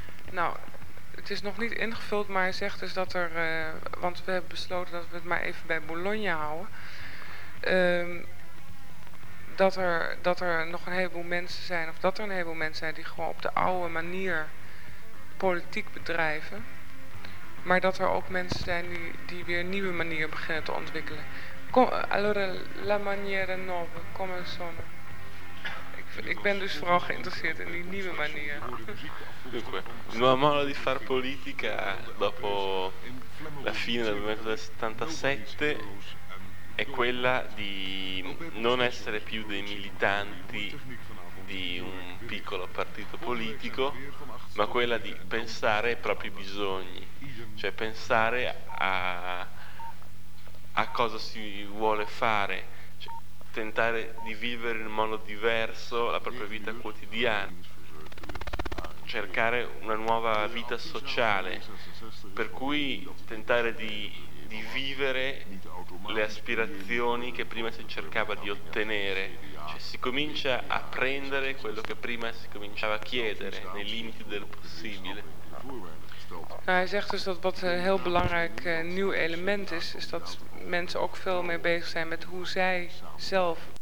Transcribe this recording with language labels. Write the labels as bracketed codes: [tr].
[nl] Nou, het is nog niet ingevuld, maar hij zegt dus dat er, want we hebben besloten dat we het maar even bij Bologna houden. Dat er nog een heleboel mensen zijn, of dat er een heleboel mensen zijn die gewoon op de oude manier politiek bedrijven. Maar dat er ook mensen zijn die weer nieuwe manieren beginnen te ontwikkelen. [it] Allora, la maniera nuova, come sono? [nl] Ik ben dus vooral geïnteresseerd in die nieuwe manieren. [it] Nuova modo di far politica dopo la fine del 1977 è quella di non essere più dei militanti di un piccolo partito politico, ma quella di pensare ai propri bisogni, cioè pensare a cosa si vuole fare, cioè tentare di vivere in modo diverso la propria vita quotidiana, cercare una nuova vita sociale, per cui tentare di vivere le aspirazioni che prima si cercava di ottenere, cioè si comincia a prendere quello che prima si cominciava a chiedere nei limiti del possibile. [nl] Nou, hij zegt dus dat wat een heel belangrijk nieuw element is dat mensen ook veel meer bezig zijn met hoe zij zelf